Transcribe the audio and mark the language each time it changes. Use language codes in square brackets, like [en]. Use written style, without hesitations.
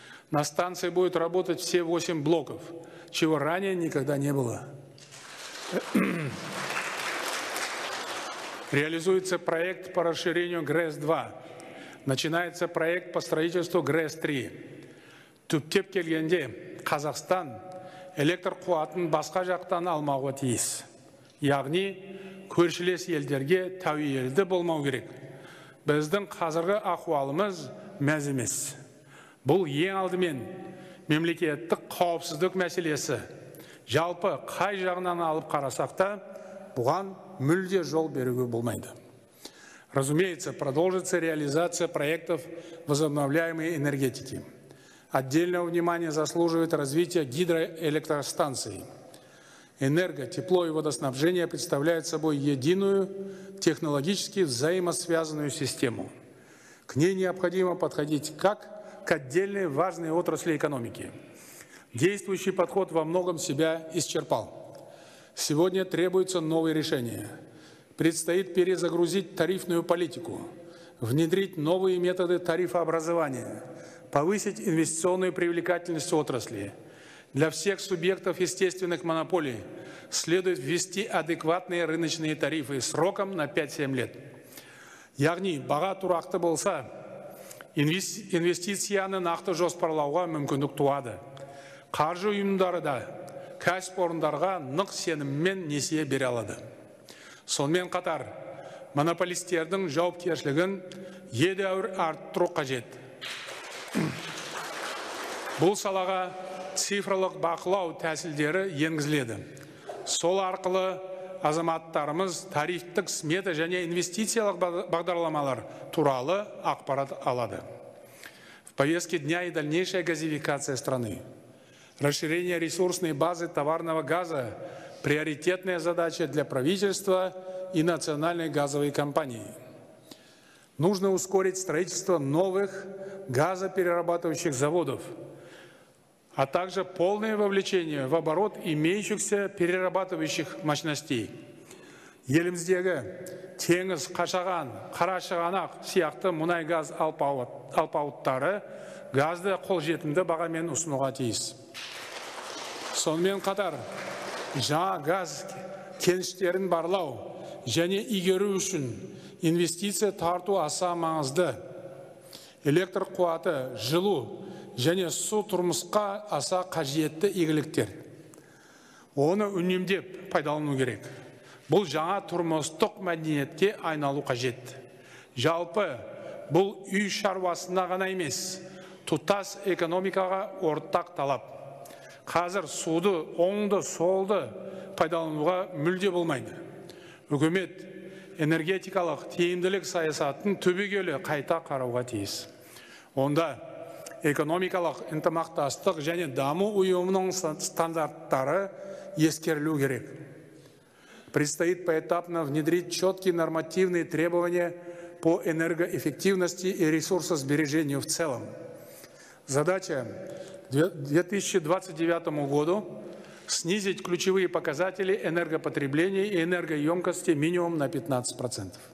[ru] На станции будут работать все 8 блоков, чего ранее никогда не было. Реализуется проект по расширению ГРЭС-2. Начинается проект по строительству ГРЭС-3. [kk] Түптеп келгенде, Казахстан электрқуатын басқа жақтан алмауға тиіс. Яғни, көршілес елдерге тәуелді болмау керек. Біздің қазіргі ахуалымыз мәз емес. Бұл ең алдымен мемлекеттік қауіпсіздік мәселесі. Жалпы қай жағынан алып қарасақта, бұған мүлде жол беруге болмайды. [ru] Разумеется, продолжится реализация проектов возобновляемой энергетики. Отдельного внимания заслуживает развитие гидроэлектростанций. Энерго, тепло и водоснабжение представляют собой единую технологически взаимосвязанную систему. К ней необходимо подходить как к отдельной важной отрасли экономики. Действующий подход во многом себя исчерпал. Сегодня требуются новые решения. Предстоит перезагрузить тарифную политику, внедрить новые методы тарифообразования, повысить инвестиционную привлекательность отрасли. Для всех субъектов естественных монополий следует ввести адекватные рыночные тарифы сроком на 5-7 лет. [kk] Яғни, баға тұрақты болса, инвестицияны нақты жоспарлауға мүмкіндік туады. Қаржы ұйымдары да кәсіпорындарға нық сеніммен несие бере алады. Сонымен қатар, монополистердің жауапкершілігін едәуір арттыру қажет. Бұл салаға цифрлық бақылау тәсілдері енгізіледі. Сол арқылы азаматтарымыз тарифтік смета және инвестициялық бағдарламалар туралы ақпарат алады. [ru] В повестке дня и дальнейшая газификация страны. Расширение ресурсной базы товарного газа – приоритетная задача для правительства и национальной газовой компании. Нужно ускорить строительство новых газоперерабатывающих заводов, а также полное вовлечение в оборот имеющихся перерабатывающих мощностей. [kk] Еліміздегі теңіз, қашаған, қарашығанақ сияқты мұнай-газ алпауыттары газды қолжетімді бағамен ұсынуға тиіс. Сонымен қатар, жаңа газ кеніштерін барлау және игеру үшін инвестиция тарту аса маңызды. Электр қуаты, жылу және су тұрмысқа аса қажетті игіліктер. Оны үнемдеп пайдалану керек. Бұл жаңа тұрмыстық мәдениетке айналу қажет. Жалпы, бұл үй шаруасында ғана емес, тұтас экономикаға ортақ талап. Қазір суды, оңды, солды пайдалануға мүлде болмайды. Үкімет энергетикалық тиімділік саясатын түбегейлі қайта қарауға тиіс. Онда экономикалық ынтымақтастық және даму ұйымының стандарттары ескерілу керек. [ru] Предстоит поэтапно внедрить четкие нормативные требования по энергоэффективности и ресурсосбережению в целом. Задача к 2029 году – снизить ключевые показатели энергопотребления и энергоемкости минимум на 15%.